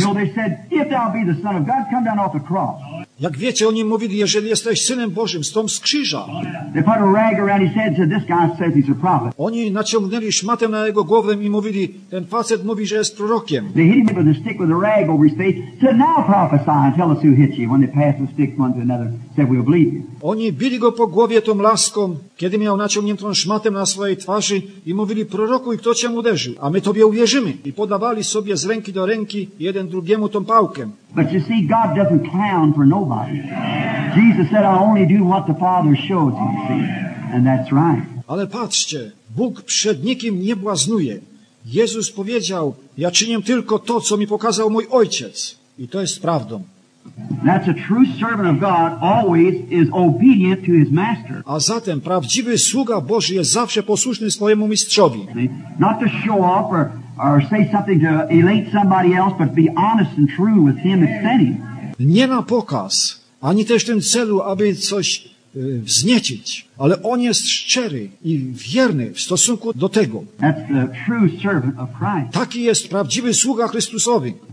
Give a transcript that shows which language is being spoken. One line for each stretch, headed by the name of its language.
English: You know, they said, if thou be the Son of God, come down off the cross.
Polish: Jak wiecie, oni mówili, jeżeli jesteś Synem Bożym, stąd z krzyża.
English: They put a rag around his head and said, this guy says he's a prophet.
Polish: Oni naciągnęli szmatę na jego głowę i mówili, ten facet mówi, że jest prorokiem.
English: They hit him with a stick with a rag over his face, said, now prophesy and tell us who hit you. When they passed the stick one to another, said, we'll believe you.
Polish: Oni bili go po głowie tą laską, kiedy miał naciągniętą szmatę na swojej twarzy i mówili, prorokuj, kto cię uderzył, a my tobie uwierzymy. I podawali sobie z ręki do ręki jeden drugiemu tą pałkę.
English: But you see, God doesn't clown for nobody. Jesus said, I only do what the Father shows me, see? And that's right.
Polish: Ale patrzcie, Bóg przed nikim nie błaznuje. Jezus powiedział, ja czynię tylko to, co mi pokazał mój Ojciec. I to jest prawdą.
English: That's a true servant of God always is obedient to his master.
Polish: A zatem prawdziwy sługa Boży jest zawsze posłuszny swojemu mistrzowi.
English: Not to show off or say something to elate somebody else, but be honest and true with him if any.
Polish: Nie na pokaz, ani też w tym celu, aby coś wzniecić, ale on jest szczery i wierny w stosunku do tego.
English: That's the true servant of Christ.
Polish: Taki jest prawdziwy sługa Chrystusowy.